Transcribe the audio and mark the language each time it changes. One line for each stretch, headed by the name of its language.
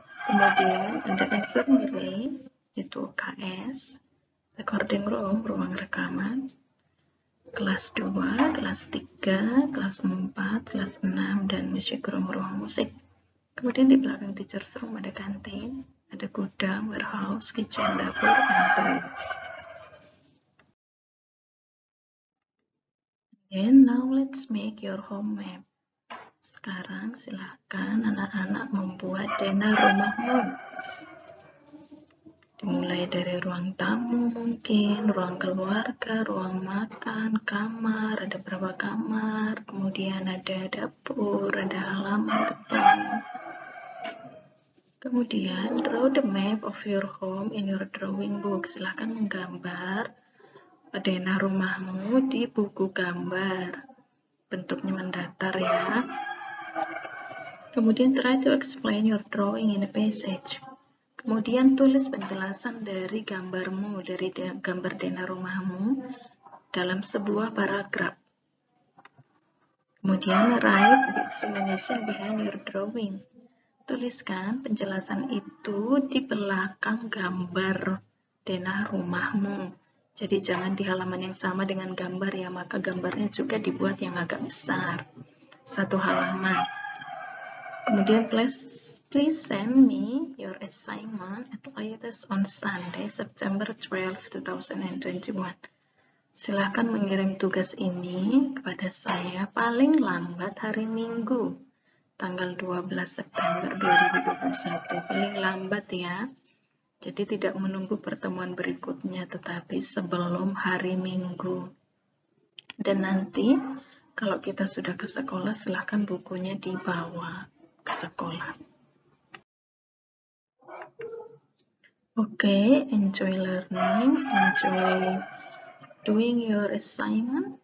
Indonesian: Kemudian ada infirmary, itu UKS, recording room, ruang rekaman, kelas 2, kelas 3, kelas 4, kelas 6, dan music room, ruang musik. Kemudian di belakang teacher's room ada kantin, ada gudang, warehouse, kitchen, dapur, dan toilets.
English: Then now let's make your home map.
Indonesian: Sekarang silakan anak-anak membuat dana rumahmu. Dimulai dari ruang tamu mungkin, ruang keluarga, ruang makan, kamar, ada berapa kamar, kemudian ada dapur, ada halaman depan.
English: Kemudian draw the map of your home in your drawing book.
Indonesian: Silakan menggambar dana rumahmu di buku gambar. Bentuknya mendatar ya. Kemudian
English: try to explain your drawing in a passage.
Indonesian: Kemudian tulis penjelasan dari gambarmu, dari gambar dana rumahmu dalam sebuah paragraf.
English: Kemudian write the explanation behind your drawing.
Indonesian: Tuliskan penjelasan itu di belakang gambar dana rumahmu. Jadi jangan di halaman yang sama dengan gambar ya, maka gambarnya juga dibuat yang agak besar. Satu halaman.
English: Kemudian please send me your assignment at latest on Sunday, September 12, 2021.
Indonesian: Silahkan mengirim tugas ini kepada saya paling lambat hari Minggu, tanggal 12 September 2021. Paling lambat ya. Jadi tidak menunggu pertemuan berikutnya, tetapi sebelum hari Minggu. Dan nanti, kalau kita sudah ke sekolah, silahkan bukunya dibawa ke sekolah.
English: Okay, enjoy learning, enjoy doing your assignment.